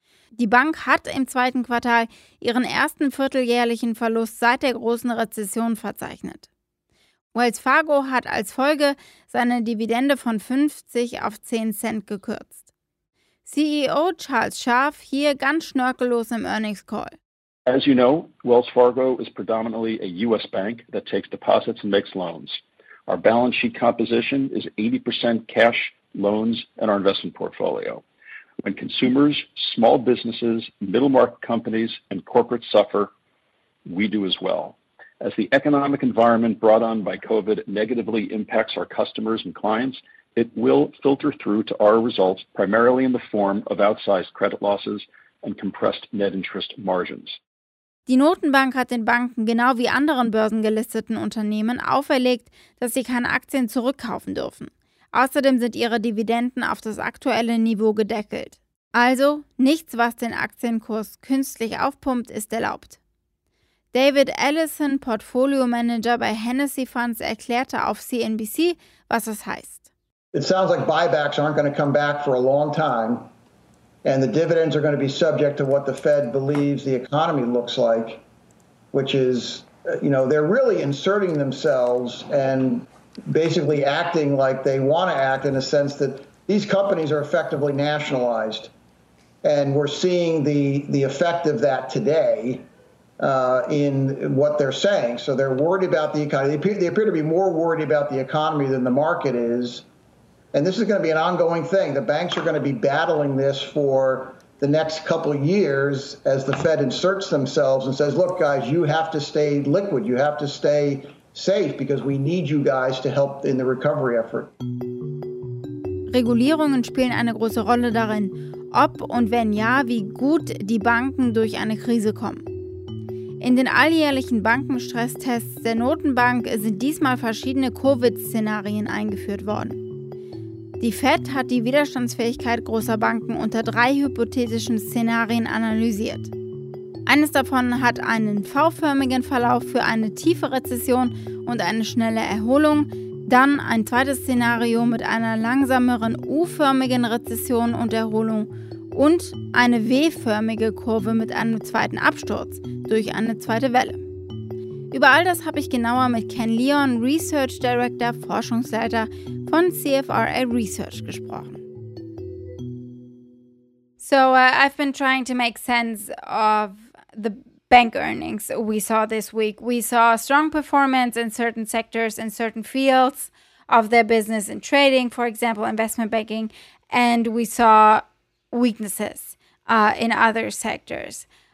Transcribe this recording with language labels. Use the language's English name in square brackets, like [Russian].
[German] Die Bank hat im zweiten Quartal ihren ersten vierteljährlichen Verlust seit der großen Rezession verzeichnet. Wells Fargo hat als Folge seine Dividende von 50 auf 10 Cent gekürzt. CEO Charles Scharf hier ganz schnörkellos im Earnings Call. [English] As you know, Wells Fargo is predominantly a US bank that takes deposits and makes loans. Our balance sheet composition is 80% cash, loans and our investment portfolio. When consumers, small businesses, middle market companies and corporates suffer, we do as well. As the economic environment brought on by COVID negatively impacts our customers and clients, it will filter through to our results primarily in the form of outsized credit losses and compressed net interest margins. [German] Die Notenbank hat den Banken genau wie anderen börsengelisteten Unternehmen auferlegt, dass sie keine Aktien zurückkaufen dürfen. Außerdem sind ihre Dividenden auf das aktuelle Niveau gedeckelt. Also nichts, was den Aktienkurs künstlich aufpumpt, ist erlaubt. David Allison, Portfolio-Manager bei Hennessy Funds, erklärte auf CNBC, was es heißt. [English] It sounds like buybacks aren't going to come back for a long time. And the dividends are going to be subject to what the Fed believes the economy looks like, which is, you know, they're really inserting themselves and basically acting like they want to act in a sense that these companies are effectively nationalized. And we're seeing the effect of that today in what they're saying. So they're worried about the economy. They appear to be more worried about the economy than the market is. And this is going to be an ongoing thing. The banks are going to be battling this for the next couple of years as the Fed inserts themselves and says, look, guys, you have to stay liquid. You have to stay safe because we need you guys to help in the recovery effort. [German] Regulierungen spielen eine große Rolle darin, ob und wenn ja, wie gut die Banken durch eine Krise kommen. In den alljährlichen Bankenstresstests der Notenbank sind diesmal verschiedene Covid-Szenarien eingeführt worden. Die Fed hat die Widerstandsfähigkeit großer Banken unter drei hypothetischen Szenarien analysiert. Eines davon hat einen V-förmigen Verlauf für eine tiefe Rezession und eine schnelle Erholung, dann ein zweites Szenario mit einer langsameren U-förmigen Rezession und Erholung und eine W-förmige Kurve mit einem zweiten Absturz durch eine zweite Welle. Über all das habe ich genauer mit Ken Leon, Research Director, Forschungsleiter von CFRA Research gesprochen. [English] So I've been trying to make sense of the bank earnings we saw this week. We saw strong performance in certain sectors, in certain fields of their business in trading, for example, investment banking, and we saw weaknesses in other sectors.